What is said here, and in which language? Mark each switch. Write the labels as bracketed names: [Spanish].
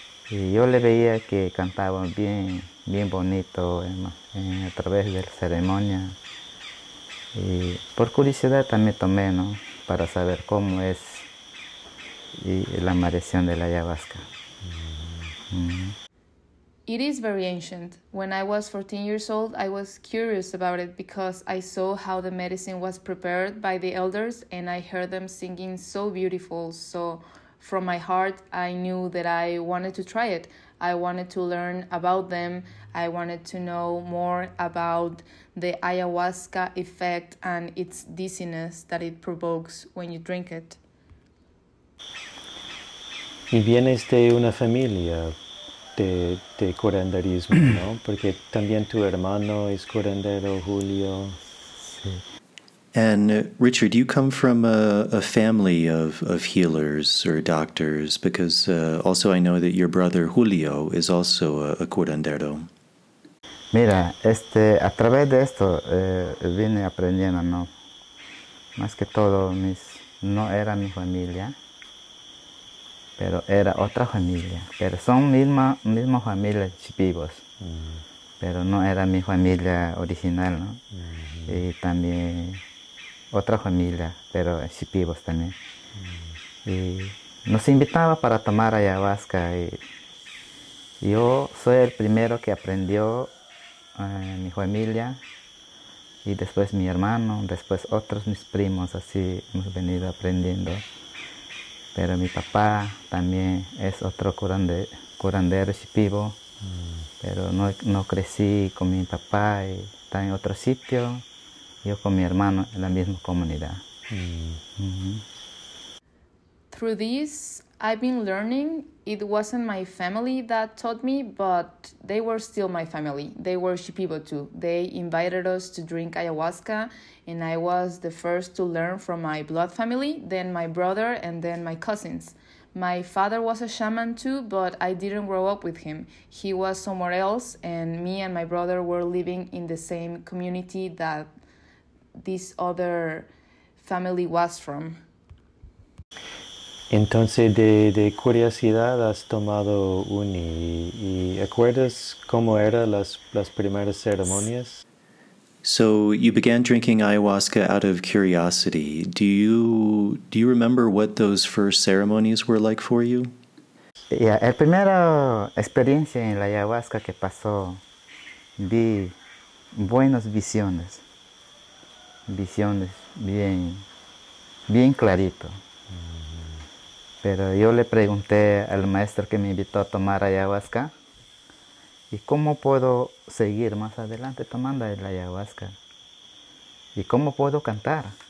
[Spanish] Y yo le veía que cantaba bien, bien bonito a través de la ceremonia. Y por curiosidad también tomé, ¿no? Para saber cómo es la maldición de la ayahuasca. [English] Mm-hmm. It is very ancient. When I was 14 years old, I was curious about it because I saw how the medicine was prepared by the elders and I heard them singing so beautiful. So from my heart, I knew that I wanted to try it. I wanted to learn about them. I wanted to know more about the ayahuasca effect and its dizziness that it provokes when you drink it. [Spanish] Y vienes de una familia de curanderismo, ¿no? Porque también tu hermano es curandero, Julio. Sí. [English] And Richard, you come from a family of healers or doctors, because also I know that your brother Julio is also a curandero. [Spanish] Mira, a través de esto vine aprendiendo, ¿no? Más que todo, no era mi familia. Pero era otra familia, pero son misma familia Shipibos, pero no era mi familia original, ¿no? Y también otra familia, pero Shipibos también. Y nos invitaba para tomar ayahuasca y yo soy el primero que aprendió mi familia y después mi hermano, después otros mis primos, así hemos venido aprendiendo. Pero mi papá también es otro curandero Shipibo, pero no crecí con mi papá y está en otro sitio, yo con mi hermano en la misma comunidad. [English] Through this, I've been learning. It wasn't my family that taught me, but they were still my family. They were Shipibo too. They invited us to drink ayahuasca, and I was the first to learn from my blood family, then my brother, and then my cousins. My father was a shaman too, but I didn't grow up with him. He was somewhere else, and me and my brother were living in the same community that this other family was from. [Spanish] Entonces, de curiosidad has tomado uni, y ¿acuerdas cómo eran las primeras ceremonias? [English] So you began drinking ayahuasca out of curiosity. Do you remember what those first ceremonies were like for you? [Spanish] Yeah, la primera experiencia en la ayahuasca que pasó, vi buenas visiones bien clarito. Pero yo le pregunté al maestro que me invitó a tomar ayahuasca y cómo puedo seguir más adelante tomando el ayahuasca y cómo puedo cantar.